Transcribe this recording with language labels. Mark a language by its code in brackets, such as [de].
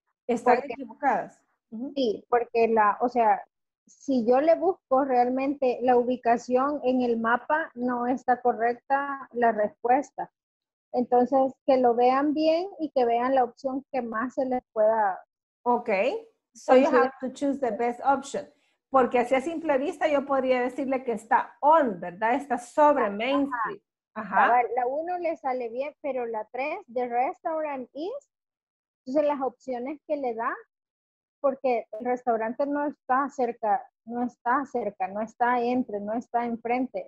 [es] Están equivocadas. Sí, porque la, o sea, si yo le busco realmente la ubicación en el mapa, no está correcta la respuesta. Entonces, que lo vean bien y que vean la opción que más se les pueda. [en] Okay, so you have to choose the best option. [es] Porque así a simple vista yo podría decirle que está on, ¿verdad? Está sobre Main Street. Ajá. La uno le sale bien, pero la tres, [en] the restaurant is, [es] entonces las opciones que le da, porque el restaurante no está cerca, no está entre, no está enfrente.